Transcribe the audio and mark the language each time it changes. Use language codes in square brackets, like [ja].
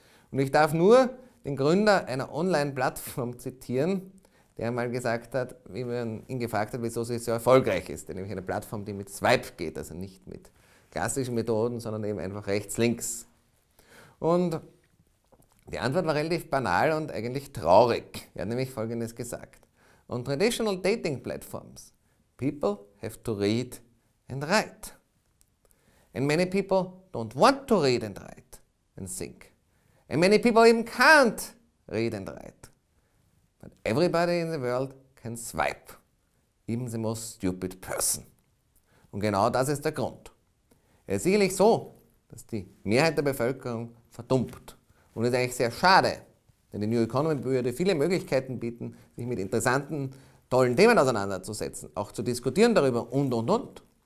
[de] Und ich darf nur den Gründer einer Online-Plattform zitieren, der mal gesagt hat, wie man ihn gefragt hat, wieso sie so erfolgreich ist, nämlich eine Plattform, die mit Swipe geht, also nicht mit klassischen Methoden, sondern eben einfach rechts, links. Und die Antwort war relativ banal und eigentlich traurig. Er hat nämlich Folgendes gesagt. [en] On traditional dating platforms, people have to read and write. And many people don't want to read and write and think. And many people even can't read and write. But everybody in the world can swipe. Even the most stupid person. [de] Und genau das ist der Grund. Es ist sicherlich so, dass die Mehrheit der Bevölkerung verdummt. Und es ist eigentlich sehr schade, denn die New Economy würde viele Möglichkeiten bieten, sich mit interessanten, tollen Themen auseinanderzusetzen, auch zu diskutieren darüber und, und.